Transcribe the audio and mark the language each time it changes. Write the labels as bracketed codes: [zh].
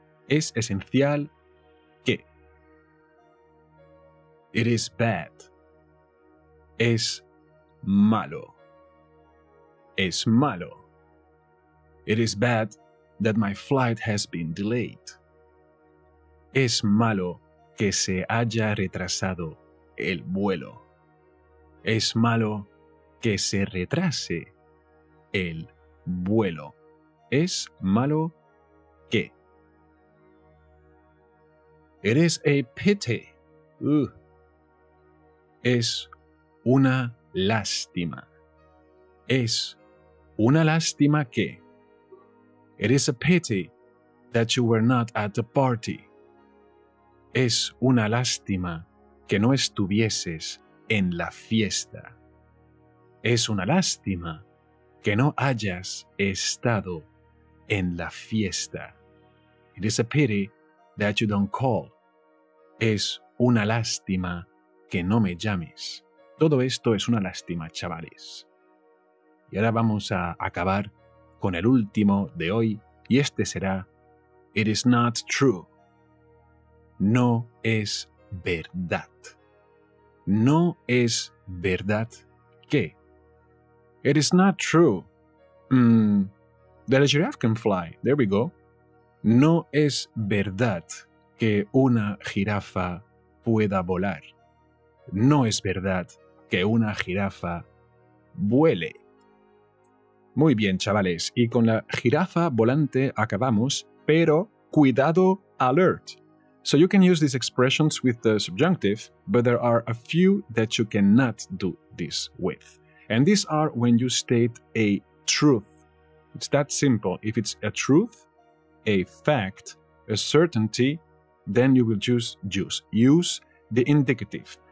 [es] Es esencial que. [en] It is bad. [es] Es malo. Es malo. [en] It is bad that my flight has been delayed. [es] Es malo que se haya retrasado el vuelo. Es malo que se retrase el vuelo. Es malo que. [en] It is a pity. [es] Es una lástima. Es una lástima que. [en] It is a pity that you were not at the party. [es] Es una lástima que no estuvieses en la fiesta. Es una lástima que no hayas estado en la fiesta. [en] It is a pity that you don't call. [es] Es una lástima que no me llames. Todo esto es una lástima, chavales. Y ahora vamos a acabar con el último de hoy, y este será: [en] It is not true. [es] No es verdad. No es verdad que. [en] It is not true that a giraffe can fly. There we go. [es] No es verdad que una jirafa pueda volar. No es verdad que una jirafa vuele. Muy bien, chavales. Y con la jirafa volante acabamos, pero cuidado, alert. [en] So you can use these expressions with the subjunctive, but there are a few that you cannot do this with. And these are when you state a truth. It's that simple. If it's a truth, a fact, a certainty, then you will use the indicative.